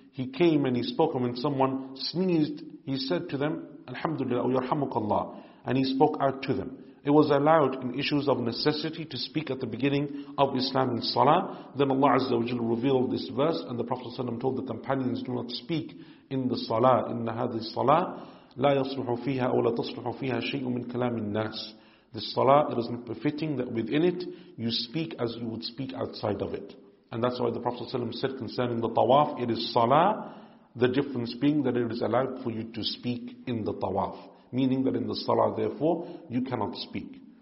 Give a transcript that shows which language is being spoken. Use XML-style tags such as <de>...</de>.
<en>He came and he spoke, and when someone sneezed, he said to them,</en> <ar>Alhamdulillah, yarhamukallah,</ar> <en>and he spoke out to them. It was allowed in issues of necessity to speak at the beginning of Islam in Salah. Then Allah Azza wa Jalla revealed this verse, and the Prophet ﷺ told the companions, do not speak in the Salah.</en> <ar>In هذه الصلاة لا يصلح فيها أو لا تصلح فيها شيء من كلام الناس.</ar> <en>This Salah, it is not befitting that within it you speak as you would speak outside of it. And that's why the Prophet ﷺ said concerning the Tawaf, it is Salah, the difference being that it is allowed for you to speak in the Tawaf. Meaning that in the Salah, therefore, you cannot speak.</en>